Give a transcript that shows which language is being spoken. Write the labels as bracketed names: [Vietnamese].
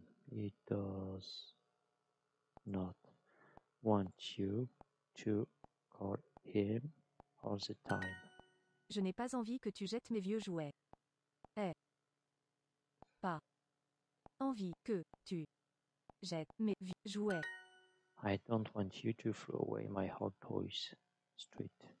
[English] He does not want you to call him all the time. [French] Je n'ai pas envie que tu jettes mes vieux jouets. Pas envie que tu jettes mes vieux jouets. [English] I don't want you to throw away my hot toys. Street.